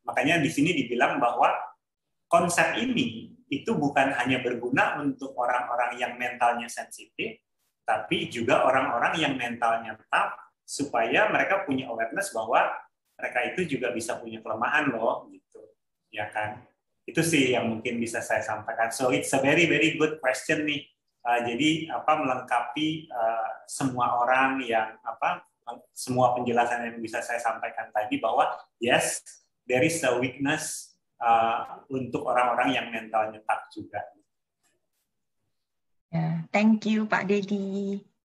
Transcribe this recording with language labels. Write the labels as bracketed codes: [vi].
[id] Makanya di sini dibilang bahwa konsep ini itu bukan hanya berguna untuk orang-orang yang mentalnya sensitif, tapi juga orang-orang yang mentalnya tetap, supaya mereka punya awareness bahwa mereka itu juga bisa punya kelemahan loh, gitu, ya kan? Itu sih yang mungkin bisa saya sampaikan. [en] So it's a very very good question nih. [id] Jadi melengkapi semua orang yang semua penjelasan yang bisa saya sampaikan tadi bahwa [en] yes, there is a weakness. [id] Untuk orang-orang yang mentalnya tough juga. [en] Yeah, thank you, Pak Dedi.